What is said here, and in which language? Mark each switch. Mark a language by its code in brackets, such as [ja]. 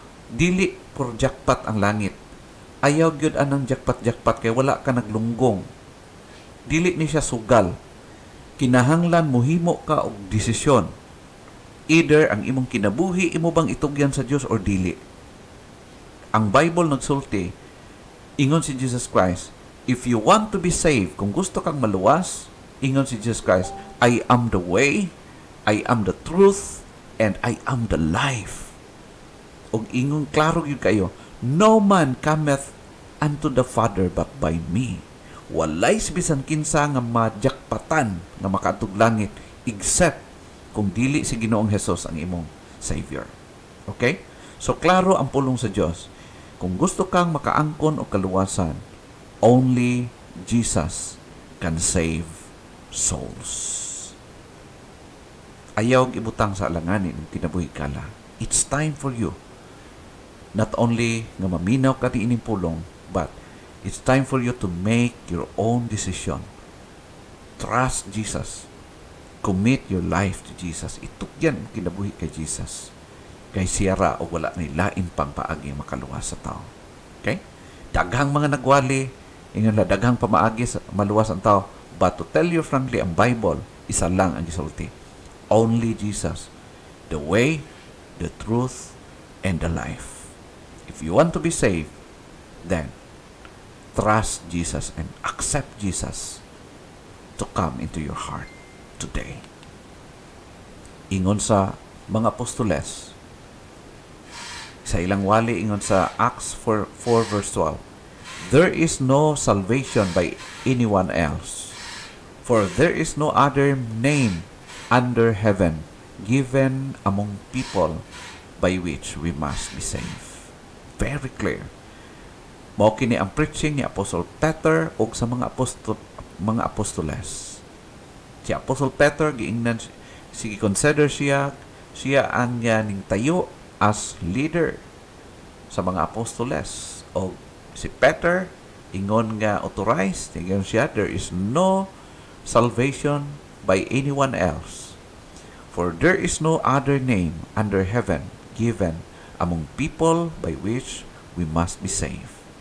[ceb] Dili por jackpot ang langit. Ayaw gyud anang jackpot-jackpot kay wala ka naglunggong. Dili ni siya sugal. Kinahanglan muhimo ka og desisyon. either ang imong kinabuhi imo bang itugyan sa Dios or dili. Ang Bible nagsulti, ingon si Jesus Christ, [en] if you want to be saved, [ceb] kung gusto kang maluwas, ingon si Jesus Christ, [en] I am the way, I am the truth, and I am the life. [ceb] Og ingon, klaro yun kayo, [en] no man cometh unto the Father but by me. [ceb] Walay sibisan kinsa nga majakpatan nga makatug langit except kung dili si Ginoong Hesus ang imong Savior. Okay? So klaro ang pulong sa Dios. Kung gusto kang makaangkon o kaluwasan, [en] only Jesus can save souls. [ceb] Ayaw ibutang sa alanganin ang kinabuhi kala. [en] It's time for you not only [ceb] nga maminaw ka diining pulong, [en] but it's time for you to make your own decision. Trust Jesus. Commit your life to Jesus. [ceb] Itugyan ang kinabuhi kay Jesus. Kay siyara o wala na ilain pang paagi makaluwas sa tao. Okay? Daghang mga nagwali, ingon na daghang pamaagi sa maluwas ang tao. [en] But to tell you frankly, [ceb] ang Bible, isa lang ang gisulti. [en] Only Jesus. The way, the truth, and the life. If you want to be saved, then trust Jesus and accept Jesus to come into your heart today. [ceb] Ingon sa mga apostoles, sa ilang wali, ingon sa Acts 4 verse 12, [en] there is no salvation by anyone else, for there is no other name under heaven given among people by which we must be saved. Very clear. [ceb] Mao kini ang preaching ni Apostle Peter ug sa mga apostoles. Si Apostle Peter giingnan sige consider siya ang ganing tayo as leader sa mga apostoles. O si Peter ingon nga authorized ingon siya, [en] there is no salvation by anyone else, for there is no other name under heaven given among people by which we must be saved.